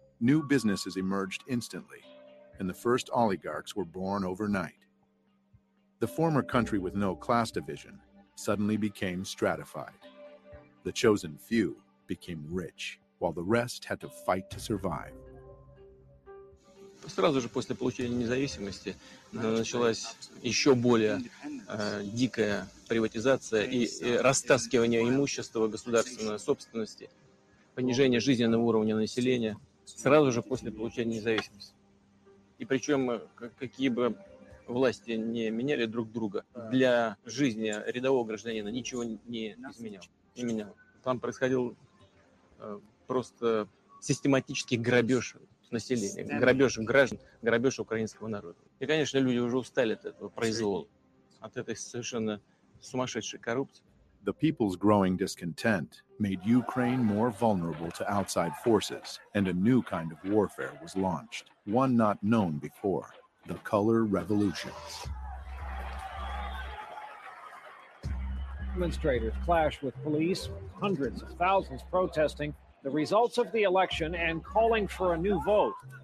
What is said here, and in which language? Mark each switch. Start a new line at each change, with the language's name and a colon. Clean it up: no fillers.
English: New businesses emerged instantly, and the first oligarchs were born overnight. The former country with no class division suddenly became stratified. The chosen few became rich, while the rest had to fight to survive.
Russian: Сразу же после получения независимости началась еще более дикая приватизация и растаскивание имущества государственной собственности, понижение жизненного уровня населения сразу же после получения независимости. И причем какие бы власти не меняли друг друга, для жизни рядового гражданина ничего не изменялось. Там происходил просто систематический грабеж. Населения, грабеж граждан, грабеж украинского народа. И, конечно, люди уже устали от этого произвола, от этой совершенно сумасшедшей коррупции.
English: The people's growing discontent made Ukraine more vulnerable to outside forces, and a new kind of warfare was launched, one not known before, the color revolutions. Demonstrators clash with police, hundreds of thousands protesting, the results of the election and calling for a new vote.